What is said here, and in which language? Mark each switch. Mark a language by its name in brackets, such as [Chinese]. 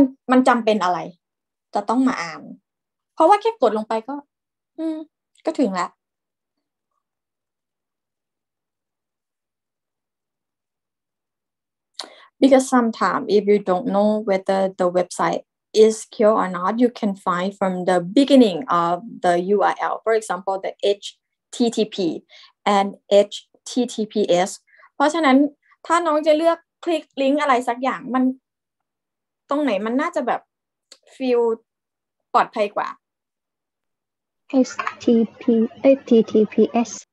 [Thai] มันจำเป็นอะไรจะต้องมาอ่านเพราะว่าแค่กดลงไปก็ถึงแล้ว [English] Because sometimes if you don't know whether the websiteIs secure or not? You can find from the beginning of the URL. For example, the HTTP and HTTPS. [Thai] เพราะฉะนั้นถ้าน้องจะเลือกคลิกลิงก์อะไรสักอย่างมันตรงไหนมันน่าจะแบบ feel ลอดภัยกว่า [English] HTTP เอ้ย HTTPS